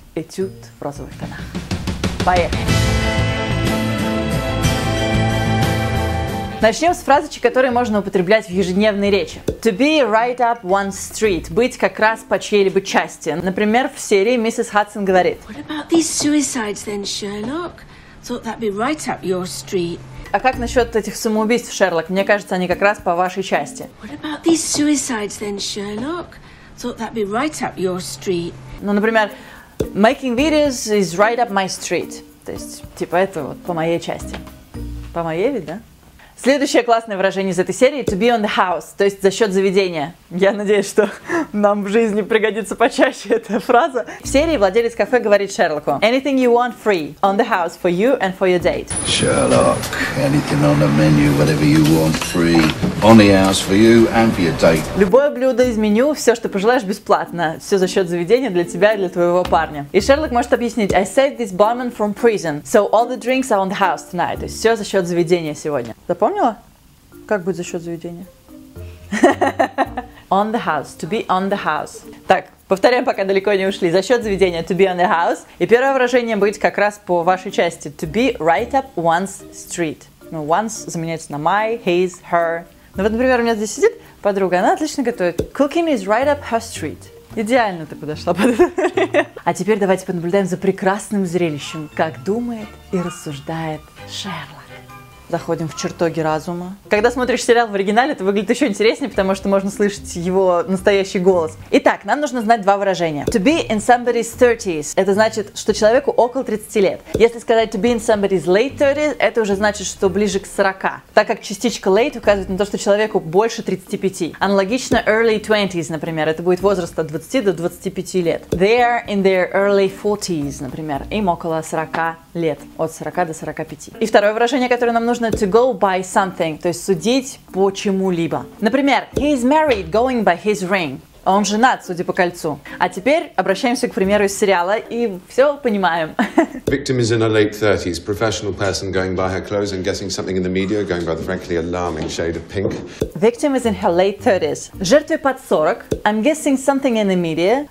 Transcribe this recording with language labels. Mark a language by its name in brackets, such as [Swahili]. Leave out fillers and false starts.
[Russian] Этюд в розовых тонах. Поехали! Начнем с фразочек, которые можно употреблять в ежедневной речи. [English] To be right up one street. [Russian] Быть как раз по чьей-либо части. Например, в серии миссис Хадсон говорит: [English] What about these suicides then, Sherlock? Thought that'd be right up your street. [Russian] А как насчет этих самоубийств, Шерлок? Мне кажется, они как раз по вашей части. [English] What about these suicides then, Sherlock? Thought that'd be right up your street. [Russian] Ну, например, [English] making videos is right up my street. [Russian] То есть, типа, это вот по моей части. По моей ведь, да? Следующее классное выражение из этой серии – to be on the house, то есть за счет заведения. Я надеюсь, что нам в жизни пригодится почаще эта фраза. В серии владелец кафе говорит Шерлоку: [English] Anything you want free, on the house, for you and for your date. Sherlock, anything on the menu, whatever you want free, on the house, for you and for your date. [Russian] Любое блюдо из меню, все, что пожелаешь, бесплатно. Все за счет заведения для тебя и для твоего парня. И Шерлок может объяснить: [English] I saved this barman from prison, so all the drinks are on the house tonight. [Russian] То есть все за счет заведения сегодня. Помнила? Как быть за счет заведения? [English] On the house. To be on the house. [Russian] Так, повторяем, пока далеко не ушли. За счет заведения. [English] To be on the house. [Russian] И первое выражение будет как раз по вашей части. [English] To be right up one's street. Ну, one's заменяется на my, his, her. [Russian] Ну, вот, например, у меня здесь сидит подруга. Она отлично готовит. [English] Cooking is right up her street. [Russian] Идеально ты подошла под это. А теперь давайте понаблюдаем за прекрасным зрелищем. Как думает и рассуждает Шерлок. Заходим в чертоги разума. Когда смотришь сериал в оригинале, это выглядит еще интереснее, потому что можно слышать его настоящий голос. Итак, нам нужно знать два выражения. [English] To be in somebody's 30s. [Russian] Это значит, что человеку около 30 лет. Если сказать to be in somebody's late 30s, это уже значит, что ближе к 40. Так как частичка late указывает на то, что человеку больше 35. Аналогично early 20s, например. Это будет возраст от 20 до 25 лет. [English] They are in their early 40s, например. [Russian] Им около 40 лет. От 40 до 45. И второе выражение, которое нам нужно to go by something, то есть судить по чему-либо. [English] Например, he is married going by his ring. [Russian] Он женат, судя по кольцу. А теперь обращаемся к примеру из сериала и все понимаем. [English] Victim is in her late 30s, professional person going by her clothes and guessing something in the media, going by the frankly alarming shade of pink. Victim is in her late 30s. [Russian] Жертве под 40. [English] I'm guessing something in the media.